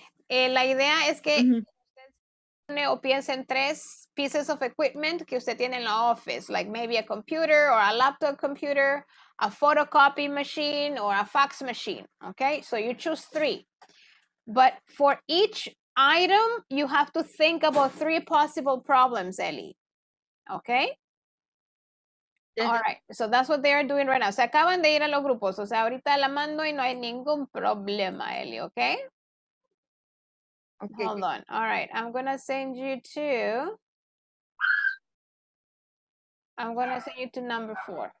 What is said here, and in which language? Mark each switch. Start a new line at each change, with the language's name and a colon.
Spanish: La idea es que usted pone o piense en tres
English: pieces of equipment
Spanish: que usted tiene en la
English: office, like maybe a computer or a laptop computer, a photocopy machine or a fax machine, okay? So you choose three. But for each item, you have to think about three possible problems, Ellie, okay? Yeah. All right, so that's what they are doing right now.
Spanish: Se acaban de ir a los grupos, o sea, ahorita la mando y no hay ningún problema, Ellie, okay?
English: Okay. Hold on, all right, I'm gonna send you to I'm going to send you to number four.